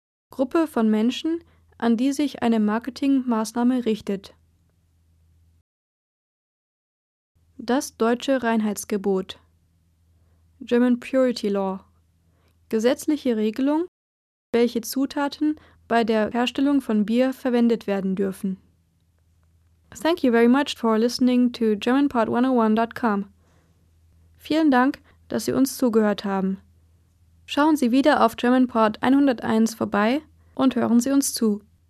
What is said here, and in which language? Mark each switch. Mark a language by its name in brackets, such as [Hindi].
[German] Gruppe von Menschen, an die sich eine Marketingmaßnahme richtet. Das deutsche Reinheitsgebot. [English] German Purity Law. [German] Gesetzliche Regelung, welche Zutaten bei der Herstellung von Bier verwendet werden dürfen. [English] Thank you very much for listening to GermanPod101.com. [German] Vielen Dank, dass Sie uns zugehört haben. Schauen Sie wieder auf GermanPod101 vorbei und hören Sie uns zu.